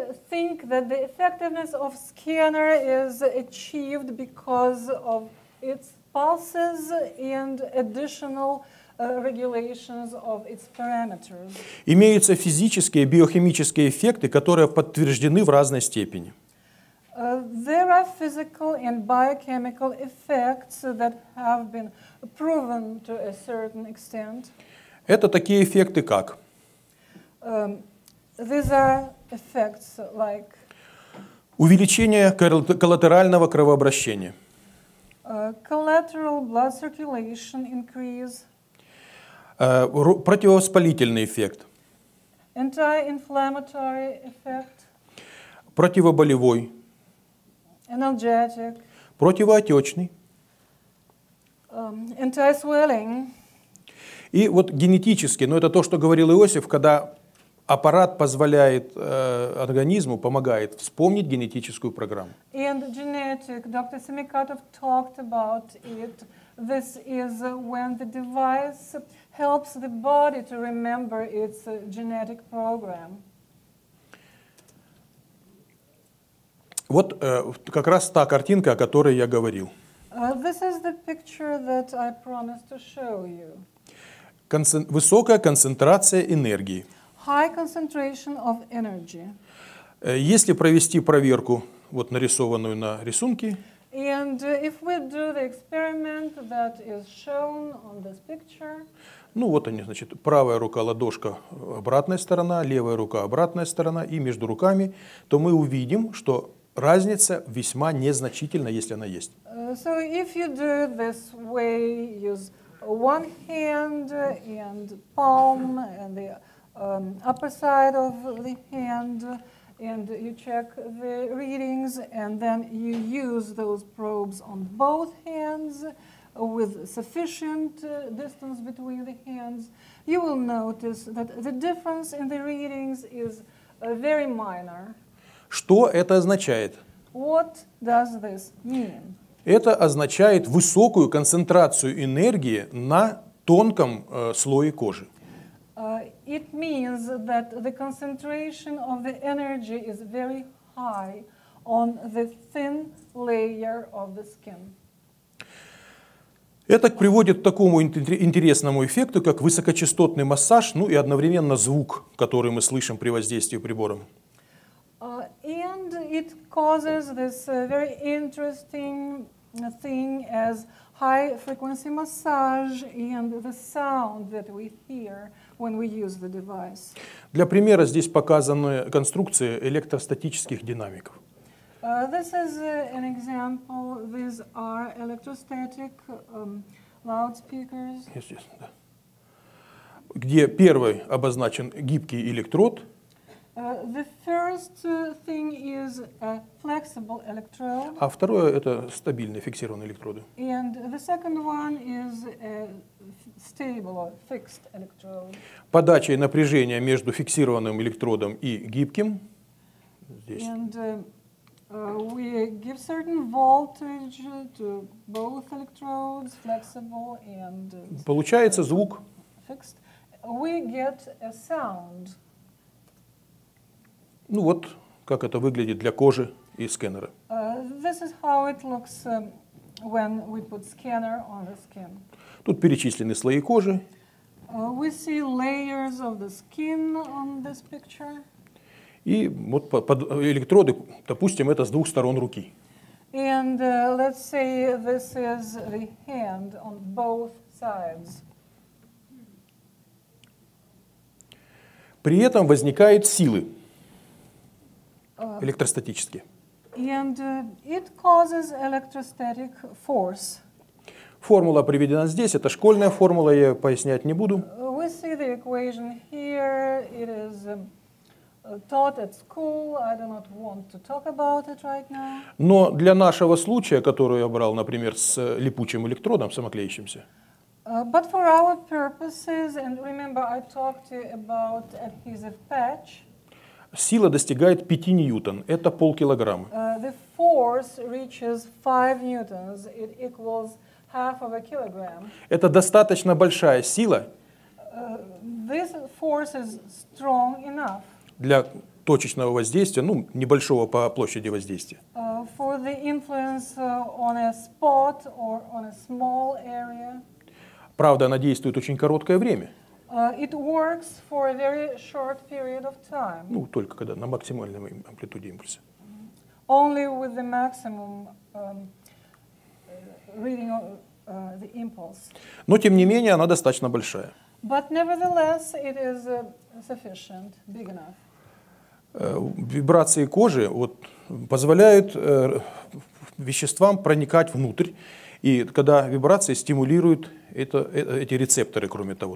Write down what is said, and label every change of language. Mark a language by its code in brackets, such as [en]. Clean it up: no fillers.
[en] Think that the effectiveness of scanner is achieved because of its pulses and additional regulations of its parameters. [ru] Имеются физические и биохимические эффекты, которые подтверждены в разной степени. [en] There are physical and biochemical effects that have been proven to a certain extent. [ru] Это такие эффекты как? [en] These are effects like [ru] увеличение коллатерального кровообращения. [en] Collateral blood circulation increase. [ru] Противовоспалительный эффект. [en] Anti-inflammatory effect. [ru] Противоболевой. [en] Analgesic. [ru] Противоотечный. [en] Anti-swelling. [ru] И вот генетически, но это то, что говорил Иосиф, когда аппарат позволяет организму, помогает вспомнить генетическую программу. [en] And genetic, Dr. Semikhatov talked about it. This is when the device helps the body to remember its genetic program. [ru] Вот как раз та картинка, о которой я говорил. [en] This is the picture that I promised to show you. [ru] Высокая концентрация энергии. [en] high concentration of energy. [ru] Если провести проверку, вот нарисованную на рисунке, [en] and if we do the experiment that is shown on this picture, [ru] ну вот они, значит, правая рука, ладошка, обратная сторона, левая рука, обратная сторона, и между руками, то мы увидим, что разница весьма незначительна, если она есть. [en] So if you do it this way, use one hand and palm and the upper side of the hand, and you check the readings, and then you use those probes on both hands with sufficient distance between the hands, you will notice that the difference in the readings is very minor. [ru] Что это означает? [en] What does this mean? [ru] Это означает высокую концентрацию энергии на тонком слое кожи. [en] It means that the concentration of the energy is very high on the thin layer of the skin. [ru] Это приводит к такому интересному эффекту, как высокочастотный массаж, ну и одновременно звук, который мы слышим при воздействии прибором. [en] And it causes this very interesting thing as high frequency massage and the sound that we hear when we use the device. [ru] Для примера здесь показаны конструкции электростатических динамиков. [en] This is an example. These are electrostatic loudspeakers. Yes, yes, [ru] да. Где первый обозначен гибкий электрод. [en] The first thing is a flexible electrode. [ru] А второе — это стабильные фиксированные электроды. [en] And the second one is a stable or fixed electrode. [ru] Подача и напряжение между фиксированным электродом и гибким. Здесь. [en] And we give certain voltage to both electrodes, flexible and [ru] получается звук. [en] Fixed. We get a sound. [ru] Ну вот, как это выглядит для кожи и сканера. [en] This is how it looks when we put scanner on the skin. [ru] Тут перечислены слои кожи. [en] We see layers of the skin on this picture. [ru] И вот под электроды, допустим, это с двух сторон руки. [en] And let's say this is the hand on both sides. [ru] При этом возникают силы. Электростатически. [en] And it causes electrostatic force. [ru] Формула приведена здесь. Это школьная формула, я ее пояснять не буду. [en] We see the equation here. It is taught at school. I do not want to talk about it right now. [ru] Но для нашего случая, который я брал, например, с липучим электродом, самоклеящимся. [en] But for our purposes, and remember, I talked to you about adhesive patch. [ru] Сила достигает 5 ньютон, это полкилограмма. [en] The force reaches 5 newtons, it equals half of a kilogram. [ru] Это достаточно большая сила. [en] This force is strong enough. [ru] Для точечного воздействия, ну, небольшого по площади воздействия. [en] For the influence on a spot or on a small area. [ru] Правда, она действует очень короткое время. [en] It works for a very short period of time. [ru] Ну, только когда на максимальной амплитуде импульса. [en] Only with the maximum reading of the impulse. [ru] Но, тем не менее, она достаточно большая. [en] But nevertheless, it is sufficient, big enough. [ru] Вибрации кожи вот, позволяют веществам проникать внутрь. И когда вибрации стимулируют эти рецепторы, кроме того.